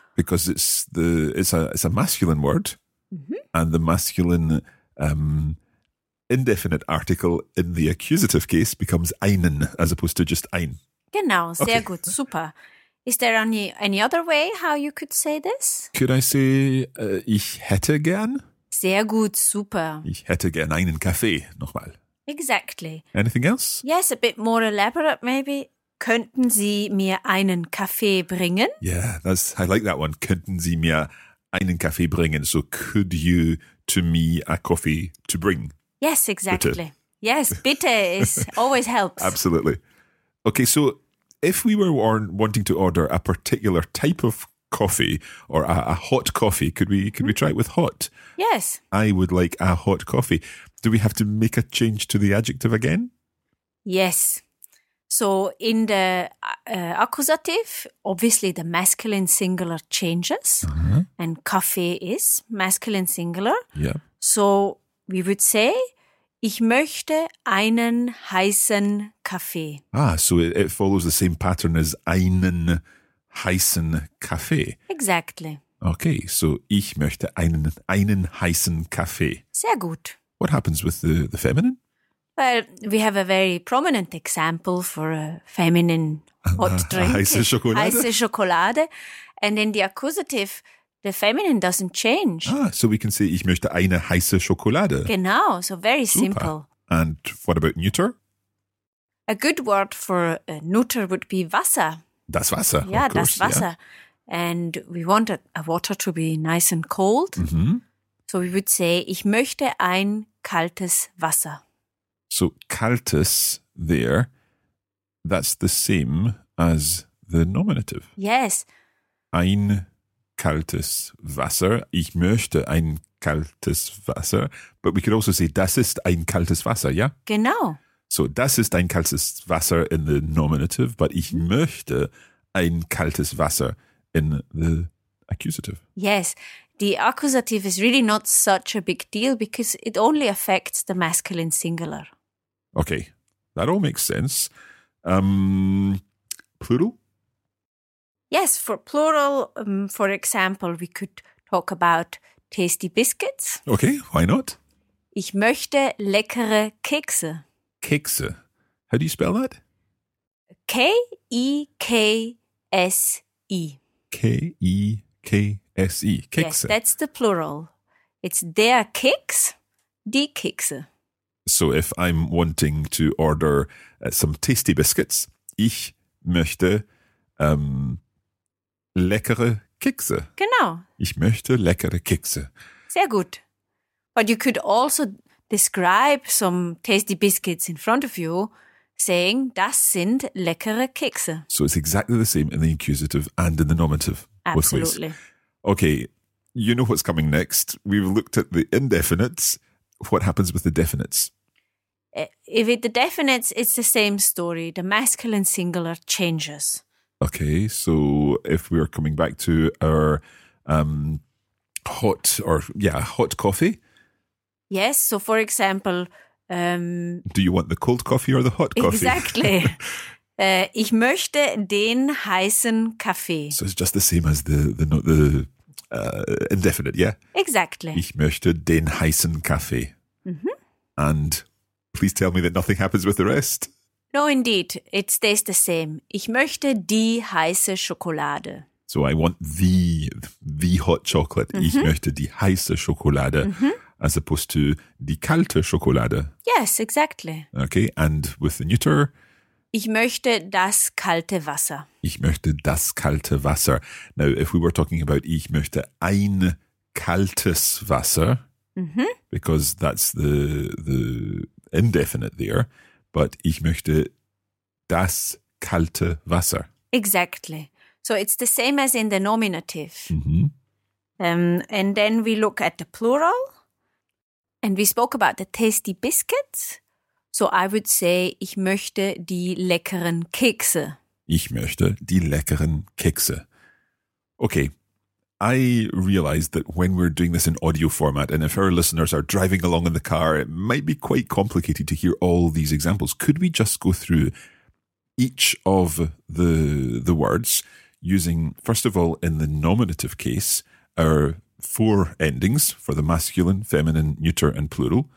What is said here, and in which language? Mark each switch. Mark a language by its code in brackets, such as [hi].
[en] Because it's a masculine word, and the masculine indefinite article in the accusative case becomes einen as opposed to just ein. [de] Genau, sehr okay. Gut, super. [en] Is there any other way how you could say this? Could I say [de] ich hätte gern? Sehr gut, super. Ich hätte gern einen Kaffee nochmal. [en] Exactly. Anything else? Yes, a bit more elaborate, maybe. [de] Könnten Sie mir einen Kaffee bringen? [en] Yeah, that's I like that one. [de] Könnten Sie mir einen Kaffee bringen? [en] So could you to me a coffee to bring? Yes, exactly. Bitte. Yes, bitte is always helps. Absolutely. Okay, so if we were wanting to order a particular type of coffee or a hot coffee, could we try it with hot? Yes. I would like a hot coffee. Do we have to make a change to the adjective again? Yes. So in the accusative, obviously the masculine singular changes and Kaffee is masculine singular. Yeah. So we would say, [de] ich möchte einen heißen Kaffee. [en] Ah, so it follows the same pattern as [de] einen heißen Kaffee. [en] Exactly. Okay, so [de] ich möchte einen heißen Kaffee. Sehr gut. [en] What happens with the feminine? Well, we have a very prominent example for a feminine hot drink. [de] Heiße Schokolade. [en] And in the accusative, the feminine doesn't change. Ah, so we can say, [de] ich möchte eine heiße Schokolade. Genau, [en] so very [de] super. [en] Simple. And what about neuter? A good word for neuter would be Wasser. [de] Das Wasser, [en] yeah, of course, [de] das Wasser. [en] Yeah. And we want a water to be nice and cold. So we would say, [de] ich möchte ein kaltes Wasser. [en] So, kaltes there, that's the same as the nominative. Yes. [de] Ein kaltes Wasser. Ich möchte ein kaltes Wasser. [en] But we could also say, [de] das ist ein kaltes Wasser, yeah? Genau. [en] So, [de] das ist ein kaltes Wasser [en] in the nominative, but [de] ich möchte ein kaltes Wasser [en] in the accusative. Yes. The accusative is really not such a big deal because it only affects the masculine singular. Okay. That all makes sense. Plural? Yes, for plural, for example, we could talk about tasty biscuits. Okay, why not? [de] Ich möchte leckere Kekse. [en] Kekse. How do you spell that? K-E-K-S-E. [de] K-E-K-S-E. Kekse. [en] Yes, that's the plural. It's [de] der Keks, die Kekse. [en] So if I'm wanting to order some tasty biscuits, [de] ich möchte leckere Kekse. Genau. Ich möchte leckere Kekse. Sehr gut. [en] But you could also describe some tasty biscuits in front of you, saying, [de] das sind leckere Kekse. [en] So it's exactly the same in the accusative and in the nominative. Absolutely. Both ways. Okay, you know what's coming next. We've looked at the indefinites. What happens with the definites? If it's the definites, it's the same story. The masculine singular changes. Okay, so if we are coming back to our hot coffee. Yes, so for example... do you want the cold coffee or the hot coffee? Exactly. [de] ich möchte den heißen Kaffee. [en] So it's just the same as the indefinite, yeah? Exactly. [de] Ich möchte den heißen Kaffee. Mm-hmm. [en] And please tell me that nothing happens with the rest. No, indeed. It stays the same. [de] Ich möchte die heiße Schokolade. [en] So I want the hot chocolate. [de] Mm-hmm. Ich möchte die heiße Schokolade, mm-hmm. [en] as opposed to [de] die kalte Schokolade. [en] Yes, exactly. Okay, and with the neuter? [de] Ich möchte das kalte Wasser. Ich möchte das kalte Wasser. [en] Now, if we were talking about [de] ich möchte ein kaltes Wasser, mm-hmm. [en] because that's the indefinite there, but [de] ich möchte das kalte Wasser. [en] Exactly. So it's the same as in the nominative. Mm-hmm. And then we look at the plural. And we spoke about the tasty biscuits. So I would say, [de] ich möchte die leckeren Kekse. Ich möchte die leckeren Kekse. [en] Okay. I realize that when we're doing this in audio format, and if our listeners are driving along in the car, it might be quite complicated to hear all these examples. Could we just go through each of the words using, first of all, in the nominative case, our four endings for the masculine, feminine, neuter, and plural,